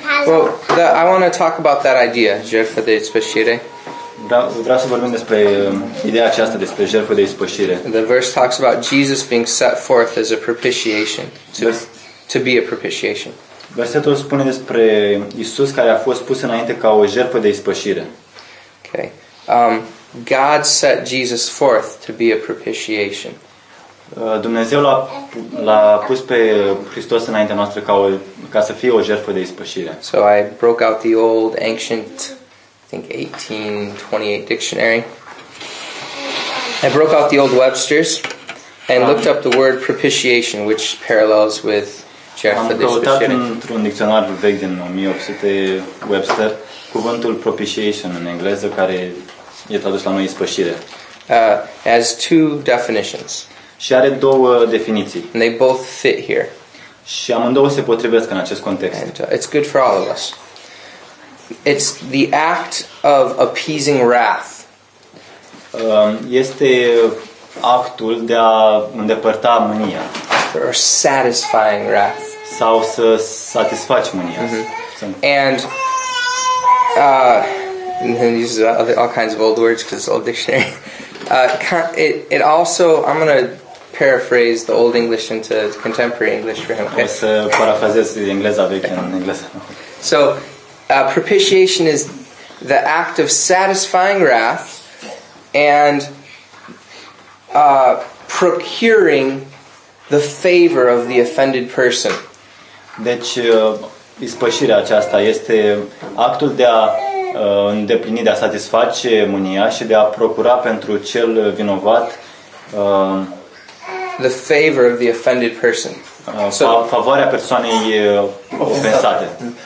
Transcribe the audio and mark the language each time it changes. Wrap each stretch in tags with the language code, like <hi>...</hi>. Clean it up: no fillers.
<en>Well, I want to talk about that idea,</en> <ro>jertfă de ispășire. Vreau să vorbim despre ideea aceasta despre jertfă de ispășire.</ro> <en>The verse talks about Jesus being set forth as a propitiation, to be a propitiation.</en> <ro>Versetul spune despre Isus care a fost pus înainte ca o jertfă de ispășire.</ro> <en>Okay. God set Jesus forth to be a propitiation.</en> <ro>Dumnezeu l-a pus pe Hristos înaintea noastră ca să fie o jertfă de ispășire.</ro> <en>So I broke out the old ancient, I think 1828 dictionary. I broke out the old Webster's and looked up the word propitiation, which parallels with</en> <ro>jertfă de ispășire. Am căutat într-un dicționar vechi din 1800 Webster cuvântul propitiation în engleză, care e tradus la noi ispășire.</ro> <en>As two definitions.</en> <ro>Și are două definiții.</ro> <en>And they both fit here.</en> <ro>Și amândouă se potrivesc în acest context.</ro> <en>And, it's good for all of us. It's the act of appeasing wrath.</en> <ro>Este actul de a îndepărta mânia.</ro> <en>Or satisfying wrath.</en> <ro>Sau să satisfaci mânia. Mm-hmm.</ro> <en>And these are all kinds of old words because it's old dictionary. It also, I'm going to paraphrase the old English into contemporary English for him.</en> <ro>Okay? O să parafrazez engleza veche în engleză.</ro> <en>So, propitiation is the act of satisfying wrath and procuring the favor of the offended person.</en> <ro>Deci, ispășirea aceasta este actul de a îndeplini, de a satisface mânia și de a procura pentru cel vinovat</ro> <en>the favor of the offended person.</en> <ro>Favoarea persoanei ofensate.</ro>